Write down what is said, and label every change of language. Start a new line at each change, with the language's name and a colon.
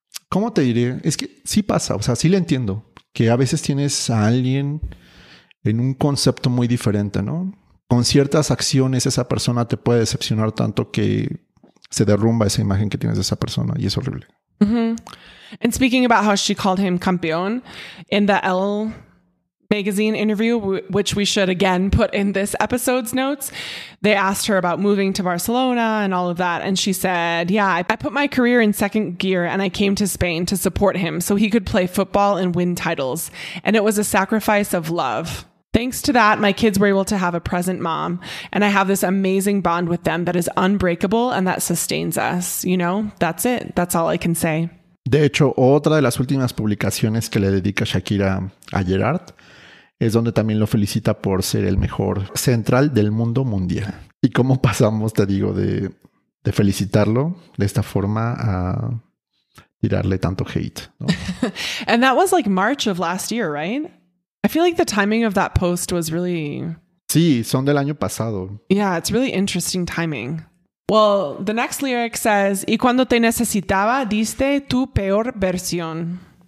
Spanish: ¿cómo te diré? Es que sí pasa, o sea, sí le entiendo que a veces tienes a alguien en un concepto muy diferente, ¿no? Con ciertas acciones esa persona te puede decepcionar tanto que se derrumba esa imagen que tienes de esa persona y es horrible.
English: Mm-hmm. And speaking about how she called him campeón, in the L magazine interview, which we should again put in this episode's notes, they asked her about moving to Barcelona and all of that. And she said, yeah, I put my career in second gear and I came to Spain to support him so he could play football and win titles. And it was a sacrifice of love. Thanks to that, my kids were able to have a present mom, and I have this amazing bond with them that is unbreakable and that sustains us. You know, that's it. That's all I can say.
Spanish: De hecho, otra de las últimas publicaciones que le dedica Shakira a Gerard es donde también lo felicita por ser el mejor central del mundo mundial. Y cómo pasamos, te digo, de felicitarlo de esta forma a tirarle tanto hate. ¿No?
English: And that was like March of last year, right? I feel like the timing of that post was really...
Spanish: Sí, son del año pasado.
English: Yeah, it's really interesting timing. Well, the next lyric says,
Spanish: y cuando te necesitaba, diste tu peor versión.